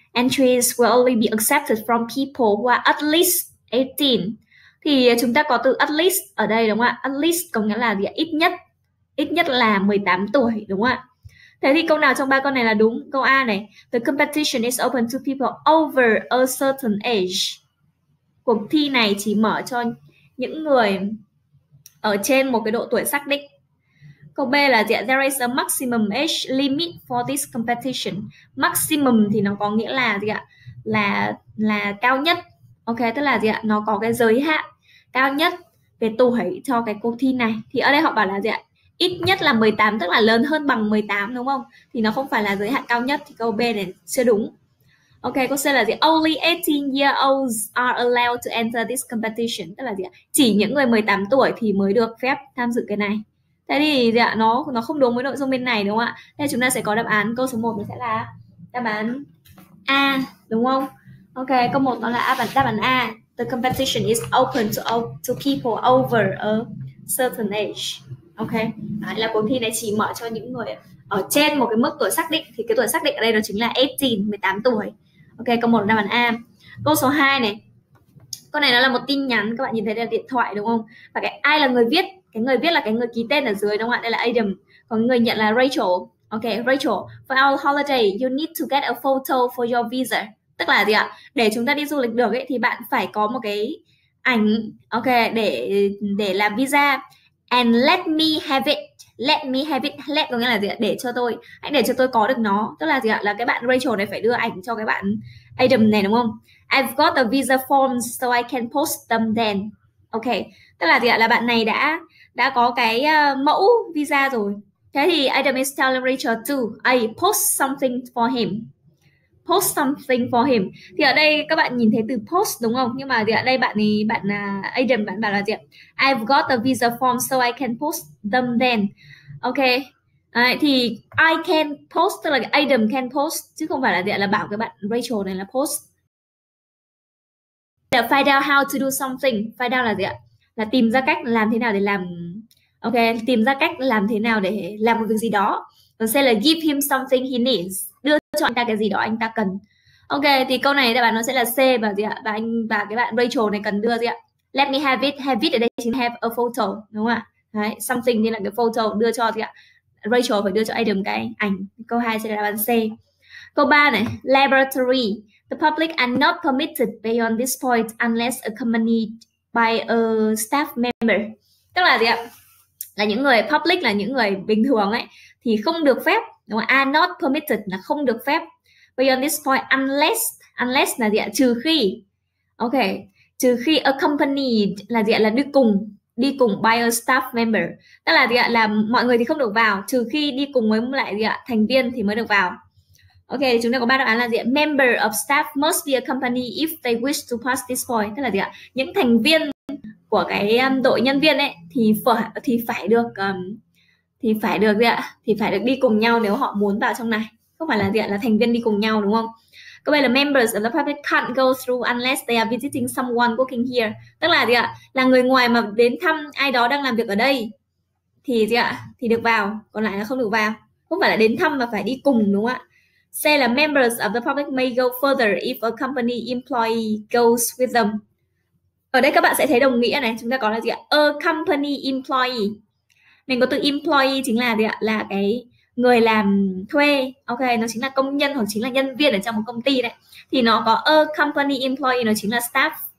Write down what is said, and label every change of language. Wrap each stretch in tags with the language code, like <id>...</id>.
<en>Entries will only be accepted from people who are at least 18.</en> <vi>Thì chúng ta có từ at least ở đây, đúng không ạ? At least có nghĩa là gì ạ? Ít nhất là 18 tuổi, đúng không ạ? Thế thì câu nào trong ba câu này là đúng? Câu A này,</vi> <en>the competition is open to people over a certain age.</en> <vi>Cuộc thi này chỉ mở cho những người ở trên một cái độ tuổi xác định. Câu B là gì?</vi> <en>There is a maximum age limit for this competition.</en> <vi>Maximum thì nó có nghĩa là gì ạ? Là cao nhất. Ok, tức là gì ạ? Nó có cái giới hạn cao nhất về tuổi cho cái cuộc thi này. Thì ở đây họ bảo là gì ạ? Ít nhất là 18, tức là lớn hơn bằng 18, đúng không? Thì nó không phải là giới hạn cao nhất, thì câu B này chưa đúng. Ok, câu C là gì?</vi> <en>Only 18 year olds are allowed to enter this competition.</en> <vi>Tức là gì ạ? Chỉ những người 18 tuổi thì mới được phép tham dự cái này. Thế thì gì ạ? Nó không đúng với nội dung bên này, đúng không ạ? Thế chúng ta sẽ có đáp án. Câu số 1 nó sẽ là đáp án A, đúng không? Ok, câu 1 nó là đáp án A.</vi> <en>The competition is open to people over a certain age.</en> <vi>Ok, đấy là cuộc thi này chỉ mở cho những người ở trên một cái mức tuổi xác định. Thì cái tuổi xác định ở đây nó chính là 18, 18 tuổi. Ok, câu 1 đáp án A. Câu số 2 này. Câu này nó là một tin nhắn, các bạn nhìn thấy đây là điện thoại đúng không? Và cái ai là người viết? Cái người viết là cái người ký tên ở dưới, đúng không ạ? Đây là Adam. Còn người nhận là Rachel. Ok, Rachel.</vi> <en>For our holiday, you need to get a photo for your visa.</en> <vi>Tức là gì ạ? Để chúng ta đi du lịch được ấy, thì bạn phải có một cái ảnh, ok, để làm visa.</vi> <en>And let me have it,</en> <vi>có nghĩa là gì ạ? Để cho tôi, hãy để cho tôi có được nó. Tức là gì ạ? Là cái bạn Rachel này phải đưa ảnh cho cái bạn Adam này, đúng không?</vi> <en>I've got the visa forms so I can post them then.</en> <vi>Ok, tức là gì ạ? Là bạn này đã có cái mẫu visa rồi. Thế thì</vi> <en>Adam is telling Rachel to I post something for him. Post something for him.</en> <vi>Thì ở đây các bạn nhìn thấy từ post đúng không? Nhưng mà thì ở đây bạn thì bạn Adam bạn bảo là gì ạ?</vi> <en>I've got the visa form so I can post them then. Ok.</en> <vi>À, thì</vi> <en>I can post</en> <vi>tức là Adam can post, chứ không phải là gì ạ? Là bảo cái bạn Rachel này là post.</vi> <en>Find out how to do something.</en> <vi>Find out là gì ạ? Là tìm ra cách làm thế nào để làm. Ok, tìm ra cách làm thế nào để làm một việc gì đó. Còn C là</vi> <en>give him something he needs.</en> <vi>Đưa cho anh ta cái gì đó anh ta cần. Ok, thì câu này đáp án nó sẽ là C, và gì ạ? Và cái bạn Rachel này cần đưa gì ạ?</vi> <en>Let me have it</en> <vi>ở đây chính</vi> <en>have a photo,</en> <vi>đúng không ạ? Đấy, something như là cái photo đưa cho gì ạ? Rachel phải đưa cho Adam cái ảnh. Câu 2 sẽ là đáp án C. Câu 3 này, laboratory.</vi> <en>The public are not permitted beyond this point unless accompanied by a staff member.</en> <vi>Tức là gì ạ? Là những người public, là những người bình thường ấy, thì không được phép. Đúng không?</vi> <en>Are not permitted</en> <vi>là không được phép.</vi> <en>Beyond this point, unless</en> <vi>là gì ạ? Trừ khi. Ok. Trừ khi accompanied là gì ạ? Là đi cùng</vi> <en>by a staff member.</en> <vi>Tức là gì ạ? Là mọi người thì không được vào, trừ khi đi cùng với lại gì ạ? Thành viên thì mới được vào. Ok, chúng ta có ba đáp án là gì ạ?</vi> <en>Member of staff must be accompanied if they wish to pass this point.</en> <vi>Tức là gì ạ? Những thành viên của cái đội nhân viên ấy thì phải được gì ạ? Thì phải được đi cùng nhau nếu họ muốn vào trong này. Không phải là gì ạ? Là thành viên đi cùng nhau, đúng không? Câu này là</vi> <en>members of the public can't go through unless they are visiting someone working here.</en> <vi>Tức là gì ạ? Là người ngoài mà đến thăm ai đó đang làm việc ở đây thì gì ạ? Thì được vào, còn lại là không được vào. Không phải là đến thăm mà phải đi cùng, đúng không ạ? C là</vi> <en>members of the public may go further if a company employee goes with them.</en> <vi>Ở đây các bạn sẽ thấy đồng nghĩa này, chúng ta có là gì ạ?</vi> <en>A company employee.</en> <vi>Mình có từ employee chính là gì ạ? Là cái người làm thuê. Ok, nó chính là công nhân hoặc chính là nhân viên ở trong một công ty đấy. Thì nó có a company employee, nó chính là staff.</vi>